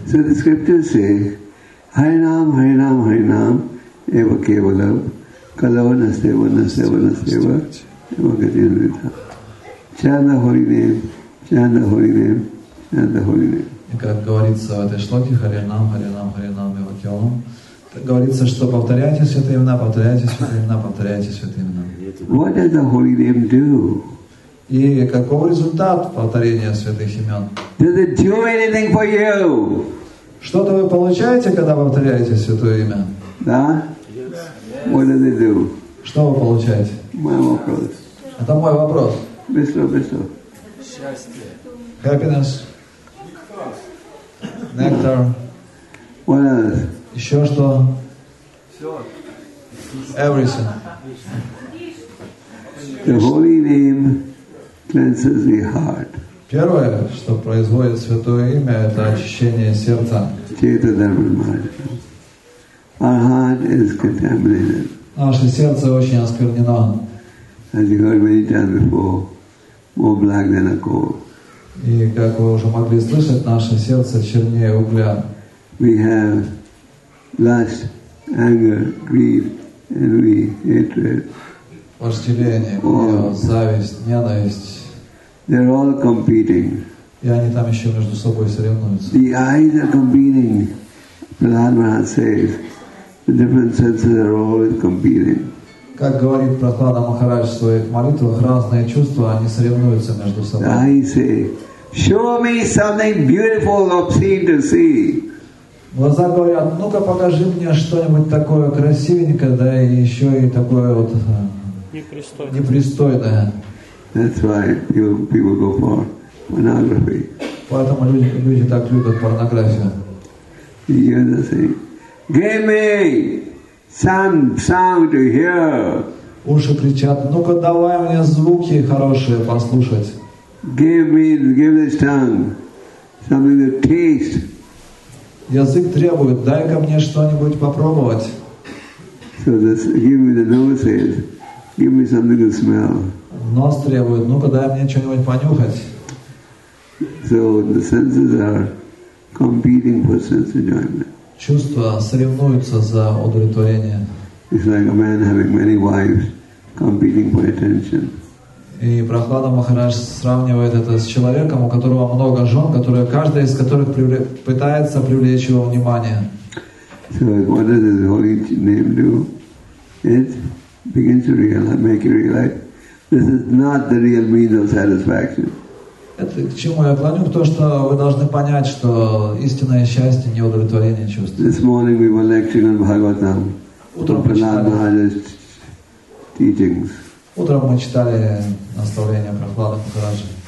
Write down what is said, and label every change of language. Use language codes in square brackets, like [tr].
[en] So the scriptures say, [sa] Harinam, Harinam, Harinam, Eva Kevalam, Kalava Nasteva, Nasteva, Nasteva, Eva Kajanvita. [en] Chant the holy name, chant the holy name, chant the holy name. [ru] И как говорится в этой шлоке, Харинам, Харинам, Харинам, Eva Kevalam, говорится, что повторяйте святые имена, повторяйте святые имена, повторяйте святые имена. [en] What does the holy name do? [ru] И каков результат повторения святых имен? [en] Does it do anything for you? [ru] Что-то вы получаете, когда повторяете святое имя? Да? [en] Yes. What does it do? [ru] Что вы получаете? Мой вопрос. Это мой вопрос. Быстро, быстро. Счастье. [en] Happiness. Nectar. What else? [ru] Еще что? Все. [en] Everything. The holy name cleanses the heart. [ru] Первое, что производит святое имя, это очищение сердца. [sa] Chaita Dharma Marga. [en] Our heart is contaminated. [ru] Наше сердце очень осквернено. [en] As you heard many times before, more black than a coal. [ru] И как вы уже могли слышать, наше сердце чернее угля. [en] We have lust, anger, grief, envy, hatred. [ru] Вожделение, зависть, ненависть. [en] They're all competing. [ru] И они там еще между собой соревнуются. [en] The eyes are competing. Prahlada says, the different senses are always competing. [ru] Как говорит Прохлада Махарадж в своих молитвах, разные чувства, они соревнуются между собой. [en] I say, show me something beautiful, obscene to see. [ru] Глаза говорят, ну-ка покажи мне что-нибудь такое красивенькое, да и еще и такое вот непристойное. [en] That's why people go for pornography. [ru] Поэтому люди так любят порнографию. [en] You hear the thing. Give me some sound to hear. [ru] Уши кричат, ну-ка давай мне звуки хорошие послушать. [en] Give this tongue something to taste. [ru] Язык требует, дай-ка мне что-нибудь попробовать. [en] So this, give me the nose says, give me something to smell. [ru] Нос требует, ну-ка дай мне что-нибудь понюхать. [en] So the senses are competing for sense enjoyment. [ru] Чувства соревнуются за удовлетворение. [en] It's like a man having many wives competing for attention. [ru] И Прохлада Махарадж сравнивает это с человеком, у которого много жен, которые, каждая из которых пытается привлечь его внимание. [en] So what does this holy name do? It begins to realize, make you realize this is not the real means of satisfaction. [ru] Это к чему я клоню? К тому, что вы должны понять, что истинное счастье не удовлетворение чувств. [en] This morning we were lecturing on Bhagavatam. [ru] Утром мы читали Махараджа's teachings. Утром мы читали наставления Прохлады Махараджи.